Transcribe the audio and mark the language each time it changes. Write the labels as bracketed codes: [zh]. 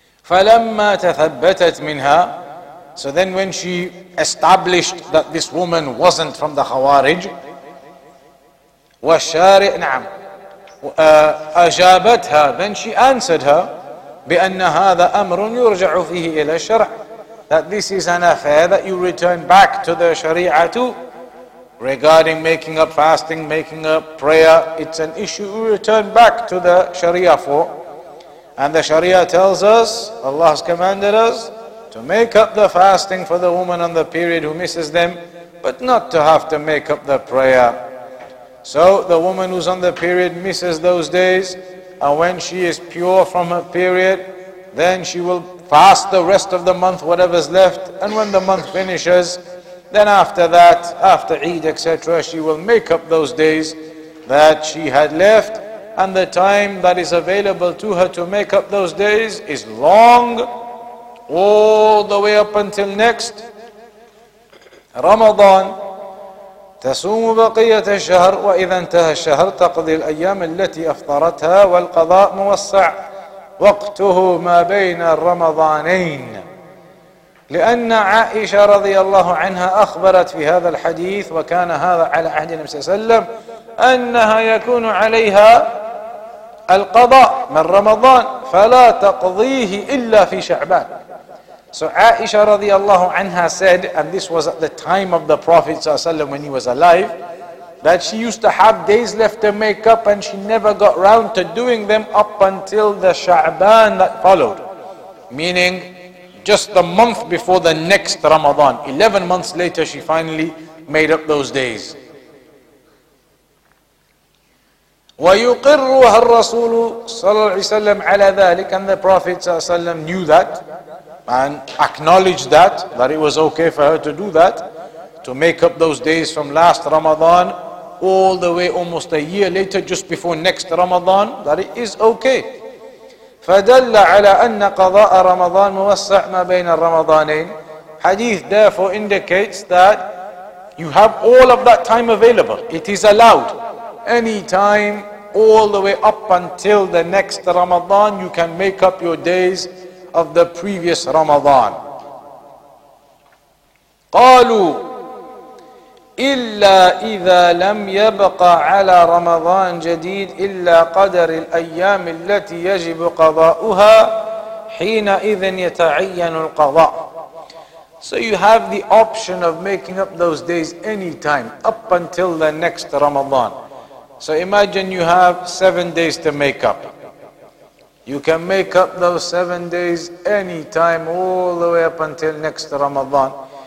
[ar] فَلَمَّا تَثَبَّتَتْ مِنْهَا. [en] So then when she established that this woman wasn't from the Khawarij, [ar] وَالشَّارِئِ نَعَمْ أَجَابَتْهَا. [en] Then she answered her, [ar] بأن هذا أمر يرجع فيه إلى الشرع. [en] That this is an affair that you return back to the Sharia too. Regarding making up fasting, making up prayer, it's an issue we return back to the Sharia for. And the Sharia tells us, Allah has commanded us to make up the fasting for the woman on the period who misses them, but not to have to make up the prayer. So the woman who's on the period misses those days, and when she is pure from her period, then she will fast the rest of the month, whatever's left, and when the month finishes, then after that, after Eid, etc., she will make up those days that she had left, and the time that is available to her to make up those days is long, all the way up until next Ramadan. [ar] تصوم بقية الشهر وإذا انتهى الشهر تقضي الأيام التي أفطرتها والقضاء موسع وقته ما بين الرمضانين. لأن عائشة رضي الله عنها أخبرت في هذا الحديث وكان هذا على عهد النبي صلى الله عليه وسلم أنها يكون عليها القضاء من رمضان فلا تقضيه إلا في شعبان. [en] So Aisha radiallahu anha said, and this was at the time of the Prophet ﷺ when he was alive, that she used to have days left to make up and she never got round to doing them up until the Sha'ban that followed. Meaning, just the month before the next Ramadan. 11 months later, she finally made up those days. [ar] ويقرها الرسول صلى الله عليه وسلم على ذلك. [en] And the Prophet صلى الله عليه وسلم knew that and acknowledged that it was okay for her to do that, to make up those days from last Ramadan all the way almost a year later, just before next Ramadan, that it is okay. [ar] فدل على أن قضاء رمضان موسع ما بين الرمضانين. [en] Hadith therefore indicates that you have all of that time available. It is allowed. Any time, all the way up until the next Ramadan, you can make up your days of the previous Ramadan. [ar] قالوا إلا إذا لم يبقى على رمضان جديد إلا قدر الأيام التي يجب قضاؤها حينئذ يتعين القضاء. [en] So you have the option of making up those days any time up until the next Ramadan. So imagine you have 7 days to make up. You can make up those 7 days anytime all the way up until next Ramadan.